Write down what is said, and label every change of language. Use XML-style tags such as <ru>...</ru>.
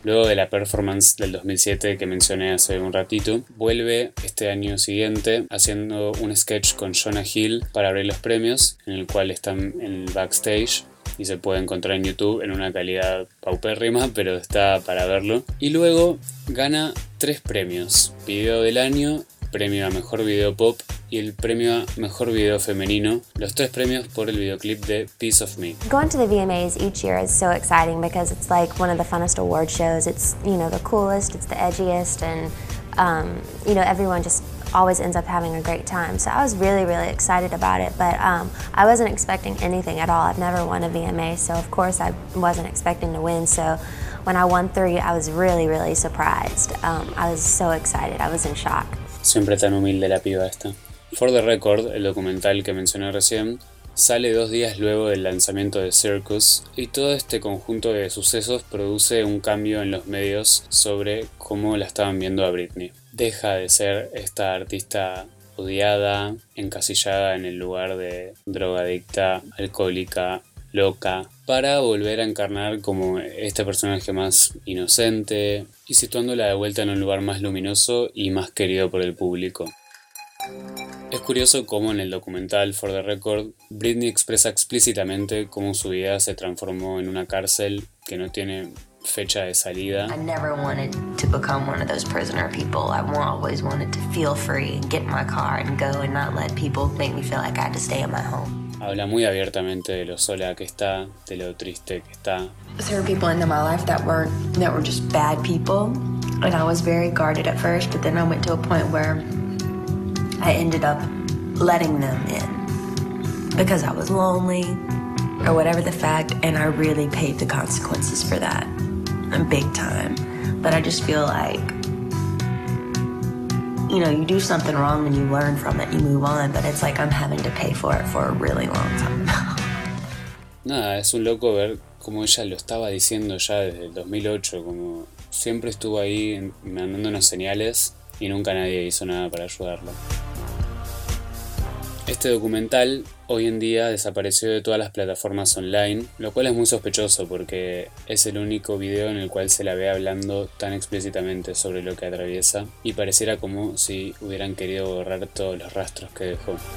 <es>Luego de la performance del 2007 que mencioné hace un ratito, vuelve este año siguiente haciendo un sketch con Jonah Hill para abrir los premios, en el cual están en el backstage y se puede encontrar en YouTube en una calidad paupérrima, pero está para verlo. Y luego gana 3 premios: Video del Año, Premio a Mejor Video Pop y el premio a Mejor Video Femenino, los 3 premios por el videoclip de Piece of Me.</es> <en>Going to the VMAs each year is so exciting because it's like one of the funnest award shows. It's, you know, the coolest, it's the edgiest, and you know, everyone just always ends up having a great time. So I was really, really excited about it, but I wasn't expecting anything at all. I've never won a VMA, so of course I wasn't expecting to win. So when I won 3, I was really, really surprised. I was so excited. I was in shock.</en> <es>Siempre tan humilde la piba esta. For the Record, el documental que mencioné recién, sale 2 días luego del lanzamiento de Circus, y todo este conjunto de sucesos produce un cambio en los medios sobre cómo la estaban viendo a Britney. Deja de ser esta artista odiada, encasillada en el lugar de drogadicta, alcohólica, loca, para volver a encarnar como este personaje más inocente y situándola de vuelta en un lugar más luminoso y más querido por el público. Es curioso cómo en el documental For the Record, Britney expresa explícitamente cómo su vida se transformó en una cárcel que no tiene fecha de salida.</es> <en>I never wanted to become one of those prisoner people. I always wanted to feel free and get in my car and go and not let people make me feel like I had to stay in my home.</en> <es>Habla muy abiertamente de lo sola que está, de lo triste que está.</es> <en>There were people in my life that were just bad people, and I was very guarded at first, but then I went to a point where I ended up letting them in because I was lonely or whatever the fact, and I really paid the consequences for that, and big time. But I just feel like, you know, you do something wrong and you learn from it, you move on, but it's like I'm having to pay for it for a really long time.</en> <es>Nada, es un loco ver como ella lo estaba diciendo ya desde el 2008, como siempre estuvo ahí mandando unas señales y nunca nadie hizo nada para ayudarla. Este documental hoy en día desapareció de todas las plataformas online, lo cual es muy sospechoso porque es el único video en el cual se la ve hablando tan explícitamente sobre lo que atraviesa y pareciera como si hubieran querido borrar todos los rastros que dejó.</es>